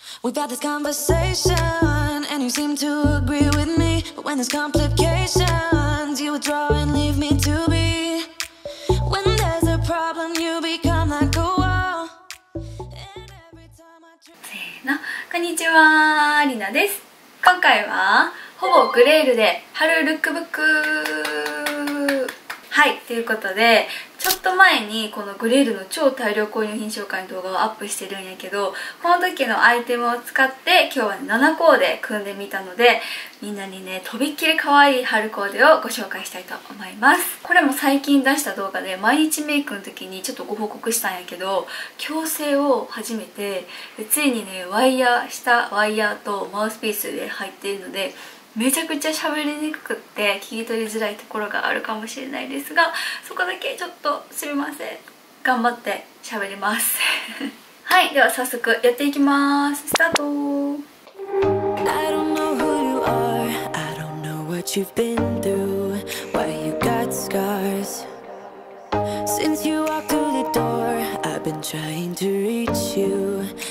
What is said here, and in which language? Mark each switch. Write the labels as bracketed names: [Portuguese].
[English] We've had this conversation and you seem to agree with me. But when there's complications, you withdraw and leave me to be. When there's a problem, you become like a wall. And every time I try. [Japanese] せーの、こんにちは、リナです。今回はほぼグレールで春ルックブック、はい、ということで、ちょっと前にこのグレールの超大量購入品紹介の動画をアップしてるんやけど、この時のアイテムを使って今日は7コーデ組んでみたので、みんなにね、とびっきり可愛い春コーデをご紹介したいと思います。これも最近出した動画で、毎日メイクの時にちょっとご報告したんやけど、矯正を始めて、でついにね、ワイヤー、下ワイヤーとマウスピースで入っているので、めちゃくちゃ喋りにくくって聞き取りづらいところがあるかもしれないですが、そこだけちょっとすみません、頑張って喋りますはい、では早速やっていきます。スタート。 [English] I don't know who you are. I don't know what you've been through. Why you got scars. Since you walked through the door, I've been trying to reach you.